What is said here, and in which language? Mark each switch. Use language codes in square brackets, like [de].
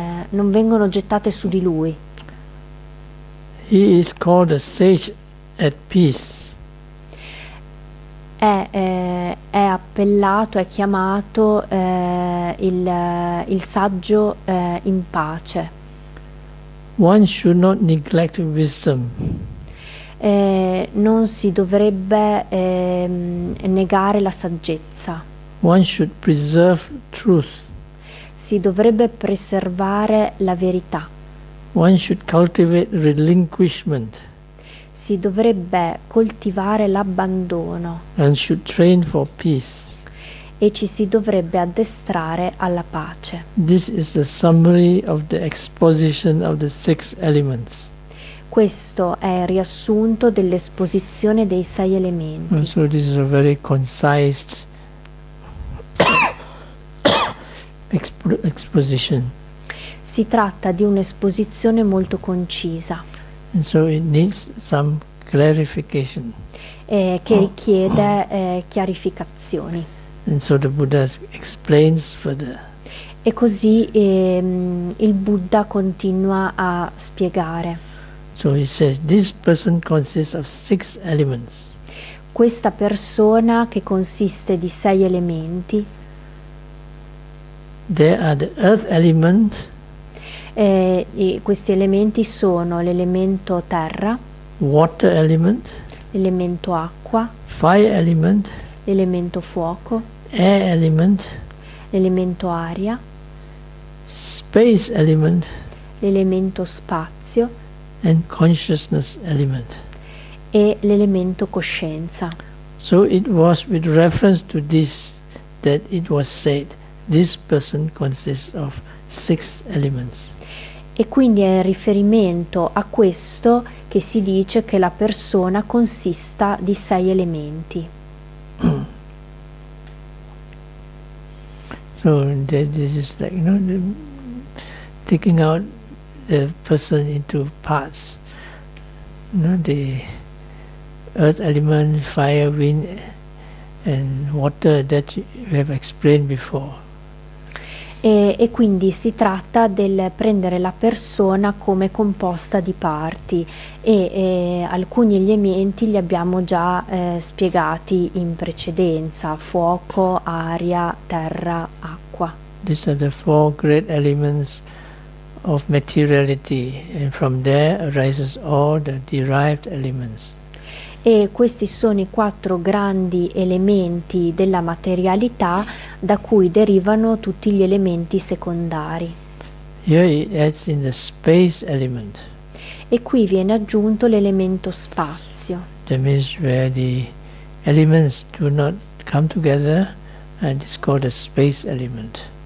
[it] Non vengono gettate su di lui. [en] He is called a sage at peace. [it] È appellato, è chiamato il saggio in pace. [en] One should not neglect wisdom. [it] Non si dovrebbe negare la saggezza. [en] One should preserve truth. [it] Si dovrebbe preservare la verità. [en] One should cultivate relinquishment. [it] Si dovrebbe coltivare l'abbandono. [en] And should train for peace. [it] E ci si dovrebbe addestrare alla pace. [en] This is the summary of the exposition of the six elements. [it] Questo è il riassunto dell'esposizione dei sei elementi. [en] And so this is a very concise exposition. [it] Si tratta di un'esposizione molto concisa. [en] And so it needs some clarification. [it] Che richiede chiarificazioni. [en] And so the Buddha explains further. [it] E così il Buddha continua a spiegare. [en] So he says, this person consists of six elements. [it] Questa persona che consiste di sei elementi. [en] There are the earth element. [it] Questi elementi sono l'elemento terra, [en] water element, [it] l'elemento acqua, [en] fire element, [it] l'elemento fuoco, [en] air element, [it] l'elemento aria, [en] space element, [it] l'elemento spazio, [en] and consciousness element, [it] e l'elemento coscienza. [en] So it was with reference to this that it was said, this person consists of six elements. [it] E quindi è in riferimento a questo che si dice che la persona consista di sei elementi. [en] So this is like, you know, taking out the person into parts, you know, the earth element, fire, wind and water that we have explained before. [it] E quindi si tratta del prendere la persona come composta di parti e alcuni elementi li abbiamo già spiegati in precedenza: fuoco, aria, terra, acqua. [en] These are the four great elements of materiality, and from there arises all the derived elements. [it] E questi sono i quattro grandi elementi della materialità da cui derivano tutti gli elementi secondari. [en] Here it adds in the space element. [it] E qui viene aggiunto l'elemento spazio. [en] That means where the elements do not come together, and it's called a space element.